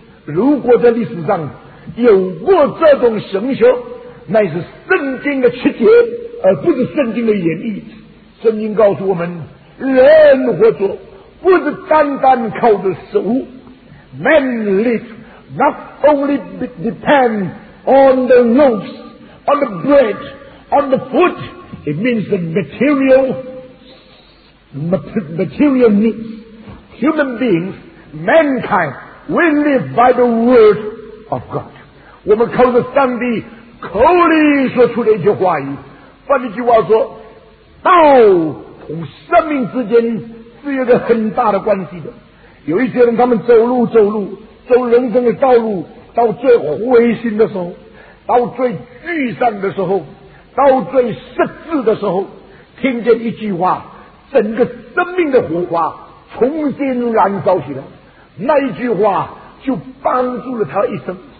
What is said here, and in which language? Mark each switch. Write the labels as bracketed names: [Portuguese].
[Chinese] 如果在历史上有过这种神学，那是圣经的曲解，而不是圣经的演绎。圣经告诉我们，人活着不是单单靠着食物。 [English] Man live not only depend on the loaves, on the bread, on the food. It means the material needs. Human beings, mankind, we live by the word of God. [Chinese] 我们靠着上帝口里说出的一句话语，换一句话说，道同生命之间是有个很大的关系的。有一些人，他们走人生的道路，到最灰心的时候，到最沮丧的时候，到最失志的时候，听见一句话，整个生命的火花重新燃烧起来，那一句话就帮助了他一生。